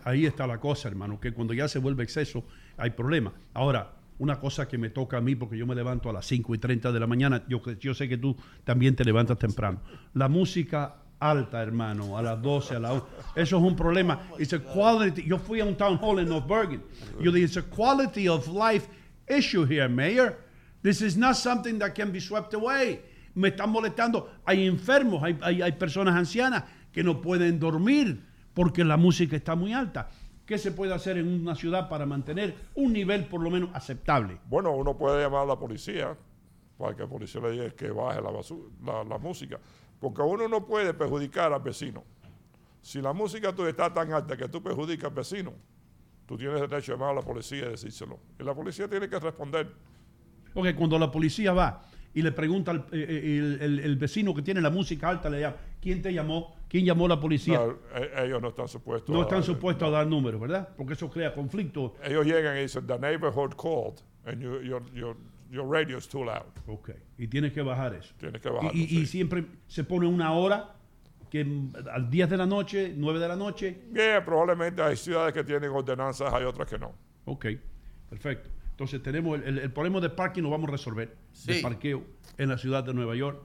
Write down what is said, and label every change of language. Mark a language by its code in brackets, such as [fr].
[es] Ahí está la cosa, hermano, que cuando ya se vuelve exceso, hay problema. Ahora, una cosa que me toca a mí, porque yo me levanto a las 5:30 de la mañana, yo sé que tú también te levantas temprano. La música alta, hermano, a las 12, a la 1, eso es un problema. [en] Oh, it's a quality. [es] Yo fui a un town hall en North Bergen. Yo dije, [en] it's a quality of life issue here, Mayor. This is not something that can be swept away. [es] Me están molestando. Hay enfermos, hay personas ancianas que no pueden dormir porque la música está muy alta. ¿Qué se puede hacer en una ciudad para mantener un nivel por lo menos aceptable? Bueno, uno puede llamar a la policía para que la policía le diga que baje la música. Porque uno no puede perjudicar al vecino. Si la música está tan alta que tú perjudicas al vecino, tú tienes derecho a llamar a la policía y decírselo. Y la policía tiene que responder. Porque okay, cuando la policía va y le pregunta el vecino que tiene la música alta, le llama, ¿quién te llamó? ¿Quién llamó a la policía? No, ellos no están supuestos. No están supuestos a dar números, ¿verdad? Porque eso crea conflicto. Ellos llegan y dicen, [en] the neighborhood called and your radio is too loud. [es] Ok. Y tienes que bajar eso. Tienes que bajar. Y siempre se pone una hora, que al 10 de la noche, 9 de la noche. Bien, yeah, probablemente hay ciudades que tienen ordenanzas, hay otras que no. Ok, perfecto. Entonces tenemos el problema de parking, lo vamos a resolver. Sí. De parqueo en la ciudad de Nueva York.